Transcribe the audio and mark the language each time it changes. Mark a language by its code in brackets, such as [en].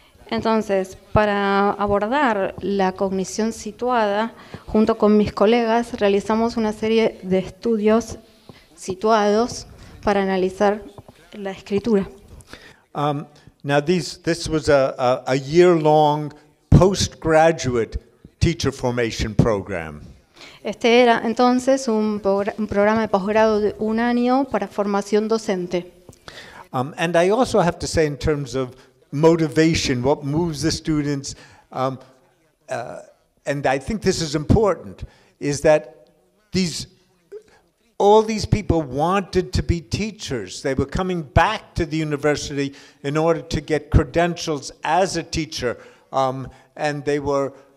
[es] Entonces, para abordar la cognición situada, junto con mis colegas, realizamos una serie de estudios situados para analizar la escritura. [en] This was a year-long postgraduate teacher formation program. [es] Este era entonces un programa de posgrado de un año para formación docente. [en] And I also have to say, in terms of motivation, what moves the students, and I think this is important, is that all these people wanted to be teachers. They were coming back to the university in order to get credentials as a teacher, and they were.